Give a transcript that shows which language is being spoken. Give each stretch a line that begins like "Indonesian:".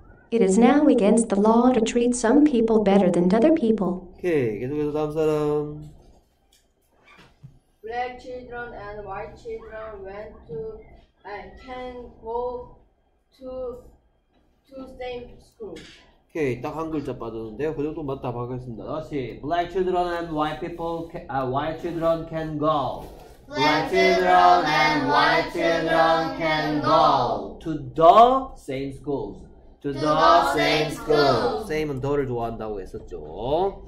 English: It is now against the law to treat some people better than other people.
Korean: Okay, 계속해서 다음 사람.
English: Black children and white children went to and can go to same school.
Korean: 오케이, 딱 한 글자 빠졌는데요. 그 정도 맞다 봐겠습니다. 다시
English: Black children and white people can, white children can go. Black children and white children can go to the same schools.
Korean: Same은 더를 좋아한다고 했었죠.